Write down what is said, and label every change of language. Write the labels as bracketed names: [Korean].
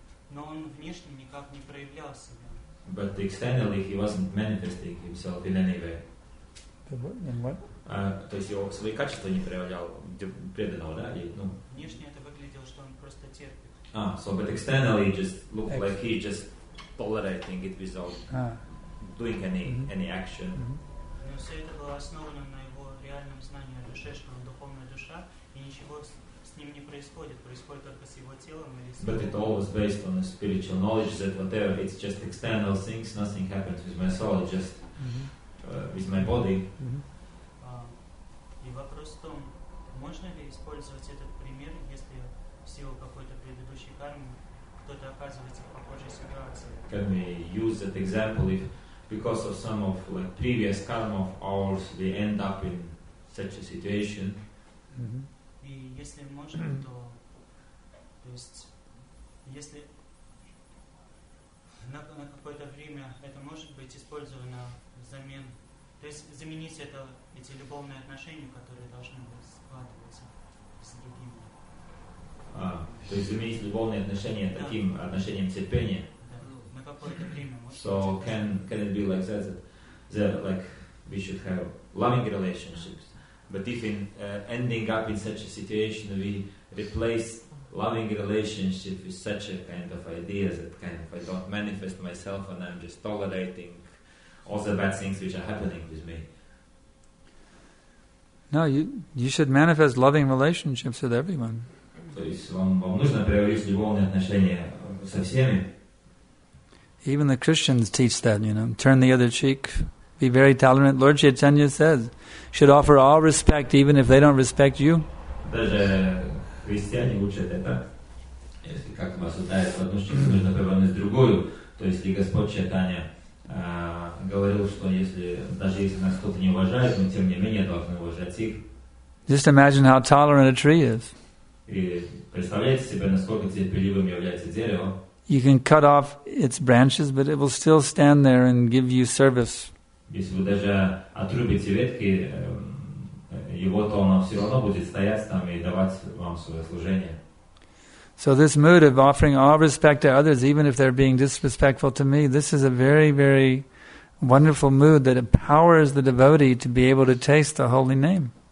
[Russian] Но он внешне никак не проявлял себя. [English] But externally he wasn't manifesting himself in any way. [Russian] То есть его свои качества не проявлял преданного, да? Внешне это выглядело, что он просто терпит. [English] So but externally it just looked like he just tolerating it without doing any action. [Russian] Но все это было основано на его реальном знании о душе, что он духовная душа, и ничего с ним не происходит. Происходит только с его телом или с. [English] But it all was based on a spiritual knowledge that whatever it's just external things, nothing happens with my soul, just with my body. [Russian] И вопрос в том, можно ли использовать этот пример, если силу какой-то предыдущей кармы кто-то оказывается в похожей ситуации. [English] Can we use that example if because of some of like previous karma of ours we end up in such a situation? [Russian] И если можно, то есть если на какое-то время это может быть использовано взамен. То есть заменить это эти любовные отношения, которые должны быть складываться с другими. То есть заменить любовные отношения таким отношением терпения. На какое-то время. [English] So can it be like that, that like we should have loving relationships, but if in ending up in such a situation we replace loving relationship with such a kind of idea that kind of I don't manifest myself and I'm just tolerating all the bad things which are happening with me. No, you should manifest loving relationships with everyone. [Russian] То есть вам нужно проявить любовные отношения со всеми. [English] Even the Christians teach that, you know, turn the other cheek, be very tolerant. Lord Chaitanya says, should offer all respect even if they don't respect you. [Russian] Даже христиане учат это. Если как-то вас ударит в одну щеку, нужно повернуть в другую. То есть и Господь Чайтанья говорил, что если даже если нас кто-то не уважает, мы тем не менее должны уважать их. [English] Just imagine how tolerant a tree is. [Russian] И представляете себе, насколько терпеливым является дерево. [English] You can cut off its branches, but it will still stand there and give you service. [Russian] Если вы даже отрубите ветки, его то оно все равно будет стоять там и давать вам свое служение. [English] So this mood of offering all respect to others, even if they're being disrespectful to me, this is a very, very wonderful mood that empowers the devotee to be able to taste the holy name.